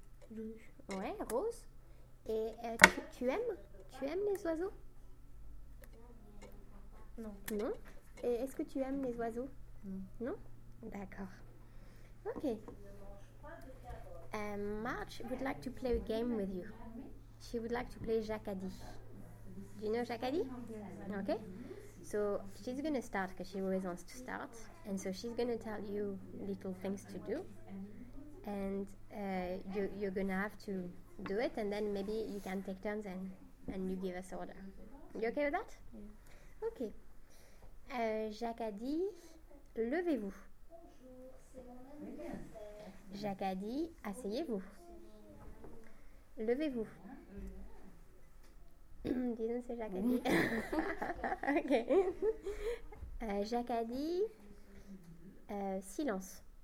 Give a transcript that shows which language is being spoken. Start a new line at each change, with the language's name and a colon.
French: Rouge. Ouais, rose. Et tu aimes les oiseaux? Non. Non? Et est-ce que tu aimes les oiseaux? Non? D'accord. Ok.
English: Marge would like to play a game with you. She would like to play Jacadi. Do you know Jacadi? Ok. So she's going to start because she always wants to start. And so she's going to tell you little things to do. And you're going to have to do it. And then maybe you can take turns and you give us order. You ok with that? Ok.
French: Jacques a dit, levez-vous. Jacques a dit, asseyez-vous. Levez-vous. Disons c'est Jacques a dit. Ok. Jacques a dit, silence.